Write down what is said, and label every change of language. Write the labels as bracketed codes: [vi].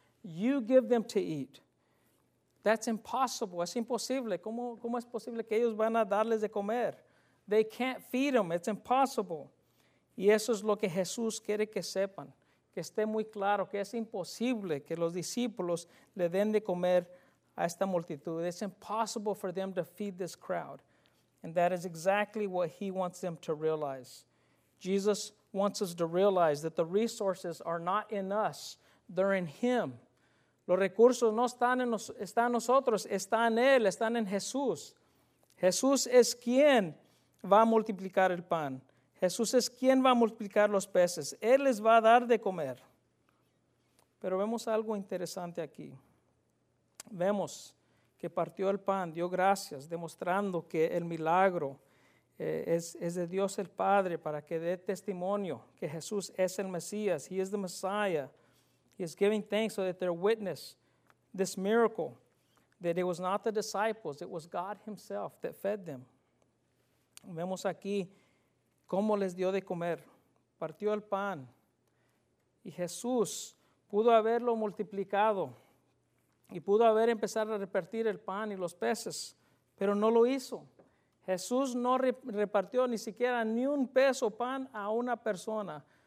[en] You give them to eat. That's impossible. [es] Es imposible. ¿Cómo es posible que ellos van a darles de comer? [en] They can't feed them. It's impossible. [es] Y eso es lo que Jesús quiere que sepan. Que esté muy claro que es imposible que los discípulos le den de comer a esta multitud. [en] It's impossible for them to feed this crowd. And that is exactly what he wants them to realize. Jesus wants us to realize that the resources are not in us. They're in him. [es] Los recursos no están en nosotros, están en Él, están en Jesús. Jesús es quien va a multiplicar el pan. Jesús es quien va a multiplicar los peces. Él les va a dar de comer. Pero vemos algo interesante aquí. Vemos que partió el pan, dio gracias, demostrando que el milagro es de Dios el Padre para que dé testimonio que Jesús es el Mesías. [en] He is the Messiah. He is giving thanks so that they're witness this miracle, that it was not the disciples, it was God himself that fed them. [es] Vemos aquí cómo les dio de comer. Partió el pan y Jesús pudo haberlo multiplicado y pudo haber empezado a repartir el pan y los peces, pero no lo hizo. Jesús no repartió ni siquiera ni un peso pan a una persona.